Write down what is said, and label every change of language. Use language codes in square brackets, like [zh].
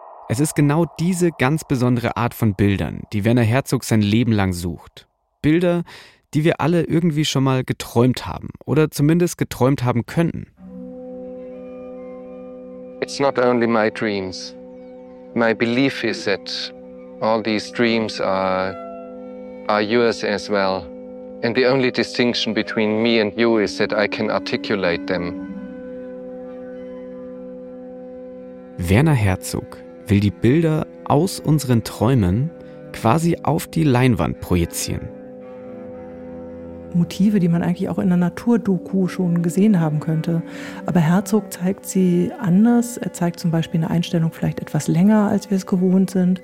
[de] Es ist genau diese ganz besondere Art von Bildern, die Werner Herzog sein Leben lang sucht. Bilder, die wir alle irgendwie schon mal geträumt haben oder zumindest geträumt haben könnten. [en] It's not only my dreams. My belief is that all these dreams are yours as well. And the only distinction between me and you is that I can articulate them. [de] Werner Herzog, will die Bilder aus unseren Träumen quasi auf die Leinwand projizieren. Motive, die man eigentlich auch in einer Naturdoku schon gesehen haben könnte. Aber Herzog zeigt sie anders. Er zeigt zum Beispiel eine Einstellung vielleicht etwas länger, als wir es gewohnt sind.